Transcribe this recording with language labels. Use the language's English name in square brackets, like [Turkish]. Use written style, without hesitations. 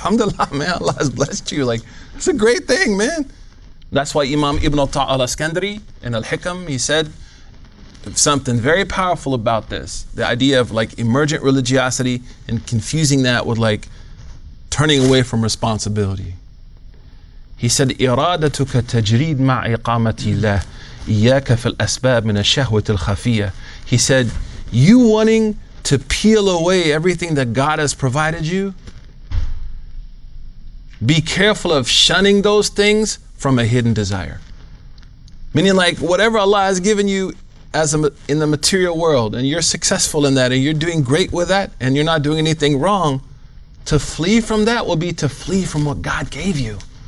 [English] Alhamdulillah, man, Allah has blessed you. Like, it's a great thing, man. That's why Imam Ibn al-Ta'al al-Iskandari in Al-Hikam, he said, something very powerful about this, the idea of like emergent religiosity and confusing that with like turning away from responsibility. [Arabic] He said, إِرَادَتُكَ تَجْرِيدْ مَعْ إِقَامَةِ اللَّهِ إِيَّاكَ فِي الْأَسْبَابِ مِنَ الشَّهْوَةِ الْخَفِيَّةِ. [English] He said, you wanting to peel away everything that God has provided you, be careful of shunning those things from a hidden desire. Meaning like whatever Allah has given you as a, in the material world, and you're successful in that, and you're doing great with that, and you're not doing anything wrong, to flee from that will be to flee from what God gave you.